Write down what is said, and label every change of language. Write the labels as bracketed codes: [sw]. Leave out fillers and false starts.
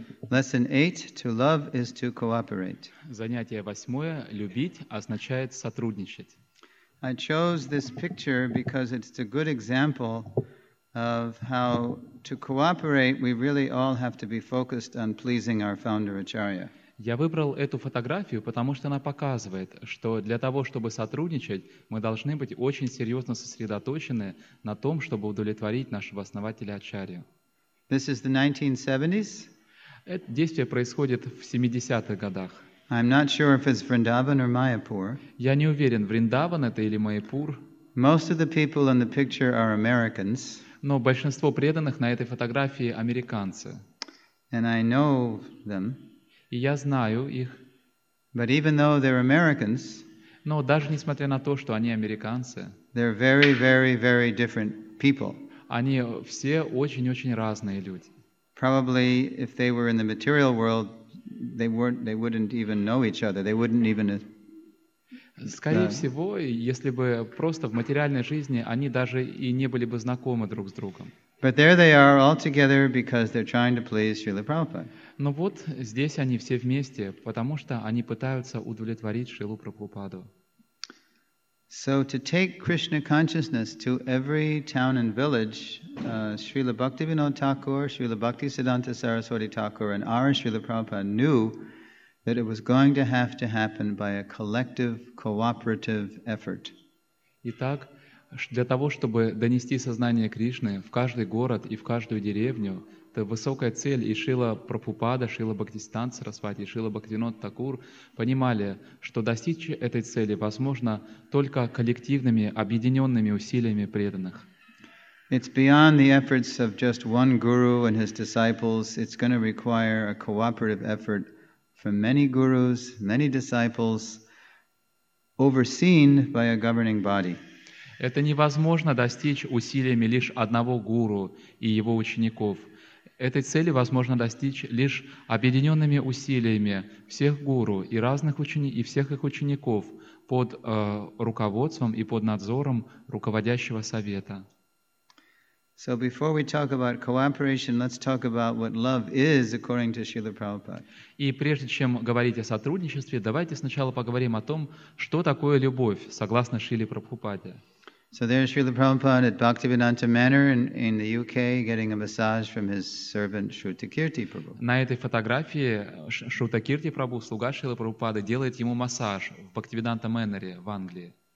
[en] Lesson 8. To love is to cooperate. [ru] Занятие восьмое. Любить означает сотрудничать. [en] I chose this picture because it's a good example of how to cooperate we really all have to be focused on pleasing our founder Acharya. [ru] Я выбрал эту фотографию, потому что она показывает, что для того, чтобы сотрудничать, мы должны быть очень серьезно сосредоточены на том, чтобы удовлетворить нашего основателя Ачарью. [en] This is the 1970s. [ru] Это действие происходит в 70-х годах. [en] I'm not sure if it's Vrindavan or Mayapur. [ru] Я не уверен, Вриндаван это или Майяпур. [en] Most of the people in the picture are Americans. [ru] Но большинство преданных на этой фотографии американцы. [en] And I know them. [ru] И я знаю их. [en] But even though they're Americans, [ru] но даже несмотря на то, что они американцы, [en] they're very, very, very different people. [ru] Они все очень-очень разные люди. [en] Probably, if they were in the material world, they wouldn't even know each other. They wouldn't even. [ru] Скорее всего, если бы просто в материальной жизни они даже и не были бы знакомы друг с другом. [en] But there they are all together because they're trying to please Srila Prabhupada. [ru] Но вот здесь они все вместе, потому что они пытаются удовлетворить Шрилу Прабхупаду. [en] So to take Krishna consciousness to every town and village, Srila Bhaktivinoda Thakur, Srila Bhaktisiddhanta Saraswati Thakur, and our Srila Prabhupada knew that it was going to have to happen by a collective, cooperative effort. [ru] Итак, для того, чтобы донести сознание Кришны в каждый город и в каждую деревню, это высокая цель, и Шрила Прабхупада, Шрила Бхактисиддханта Сарасвати, Шрила Бхактивинода Такур понимали, что достичь этой цели возможно только коллективными, объединенными усилиями преданных. [en] It's beyond the efforts of just one guru and his disciples. It's going to require a cooperative effort from many gurus, many disciples, overseen by a governing body. [ru] Это невозможно достичь усилиями лишь одного гуру и его учеников. Этой цели возможно достичь лишь объединенными усилиями всех гуру и разных учеников и всех их учеников под руководством и под надзором руководящего совета. [en] So before we talk about cooperation, let's talk about what love is according to Srila Prabhupada. [ru] И прежде чем говорить о сотрудничестве, давайте сначала поговорим о том, что такое любовь согласно Шриле Прабхупаде. [en] So there's Srila Prabhupada at Bhaktivedanta Manor in the UK getting a massage from his servant Shruta Kirti Prabhu. [ru] На этой фотографии Шрута Кирти Прабху, слуга Шрилы Прабхупады, делает ему массаж в Бхактиведанта Мэннере в Англии.